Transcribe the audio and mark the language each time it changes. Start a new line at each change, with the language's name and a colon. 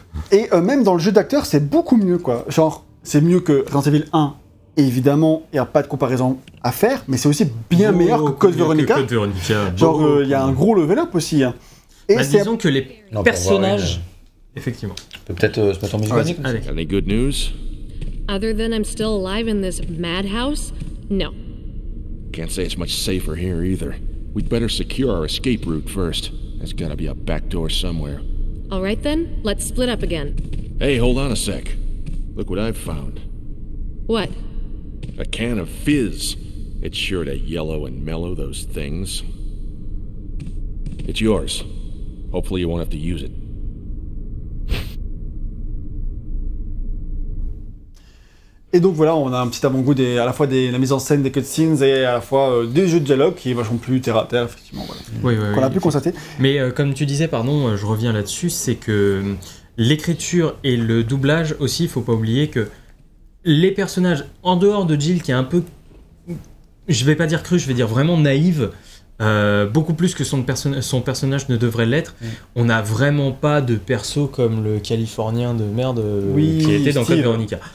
French: Et même dans le jeu d'acteur, c'est beaucoup mieux, quoi. Genre, c'est mieux que Resident Evil 1, évidemment, il n'y a pas de comparaison à faire, mais c'est aussi bien meilleur que Code Veronica. Genre, il y a un gros level up aussi. Hein. Et bah, disons que les personnages... Effectivement. Peut-être se mettre en musique.
English: Allez. Any good news? Other than I'm still alive in this madhouse, no. Can't say it's much safer here either. We'd better secure our escape route first. There's gotta be a back door somewhere. All right then, let's split up again. Hey, hold on a sec. Look what I've found. What? A can of fizz. It's sure to yellow and mellow those things. It's yours. Hopefully you won't have to use it.
French: Et donc voilà, on a un petit avant-goût des, à la fois de la mise en scène des cutscenes et à la fois des jeux de dialogue qui est vachement plus terre à terre, effectivement. Voilà. Oui, oui, qu'on a oui, pu constater. Mais comme tu disais, pardon, je reviens là-dessus, c'est que l'écriture et le doublage aussi, il ne faut pas oublier que les personnages, en dehors de Jill qui est un peu, je ne vais pas dire cru, je vais dire vraiment naïve, beaucoup plus que son personnage ne devrait l'être, on n'a vraiment pas de perso comme le californien de merde qui était dans Code Veronica.